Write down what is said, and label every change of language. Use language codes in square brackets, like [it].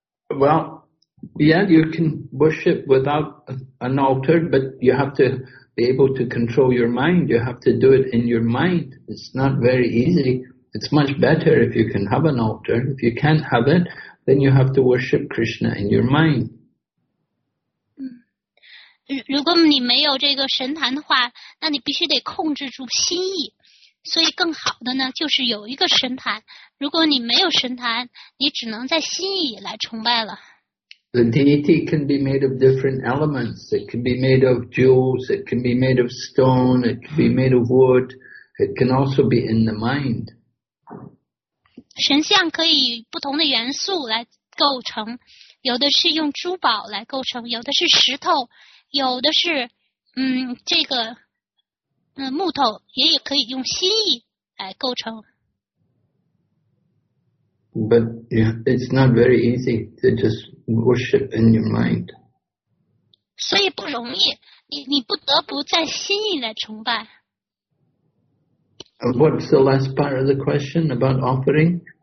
[en] Well, yeah, you can worship without an altar, but you have to be able to control your mind. You have to do it in your mind. It's not very easy. It's much better if you can have an altar. If you can't have it, then you have to worship Krishna in your mind. [zh] 如果你没有这个神坛的话，那你必须得控制住心意。所以更好的呢，就是有一个神坛。如果你没有神坛，你只能在心意来崇拜了。 [en] The deity can be made of different elements. It can be made of jewels. It can be made of stone. It can be made of wood. It can also be in the mind. [zh] 神像可以不同的元素来构成，有的是用珠宝来构成，有的是石头，有的是这个。木头也可以用心意来构成。 [en] But yeah, it's not very easy to just worship in your mind. [zh] 所以不容易，你不得不在心意来崇拜。 [en] What's the last part of the question about offering?